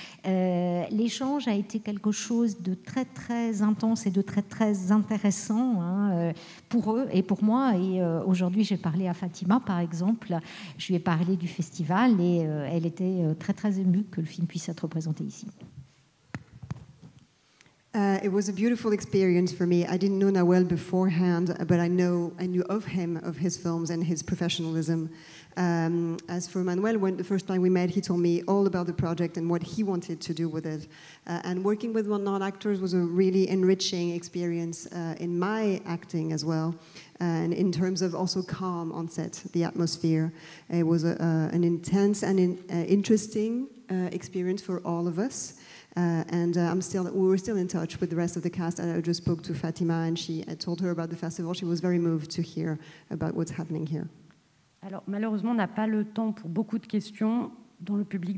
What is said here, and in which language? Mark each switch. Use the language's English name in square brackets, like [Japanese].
[French] L'échange a été quelque chose de très très intense et de très très intéressant, hein, pour eux et pour moi. Et aujourd'hui, j'ai parlé à Fatima, par exemple. Je lui ai parlé du festival et elle était très très émue que le film puisse être présenté ici. [English] It was a beautiful experience for me. I didn't know Nawel beforehand, but I knew of him, of his films and his professionalism. As for Manuel, when the first time we met, he told me all about the project and what he wanted to do with it. And working with non-actors was a really enriching experience in my acting as well. and in terms of also calm on set, the atmosphere. It was an intense and interesting experience for all of us. We're still in touch with the rest of the cast. And I just spoke to Fatima, and I told her about the festival. She was very moved to hear about what's happening here. [French] Alors, malheureusement, on n'a pas le temps pour beaucoup de questions dans le public.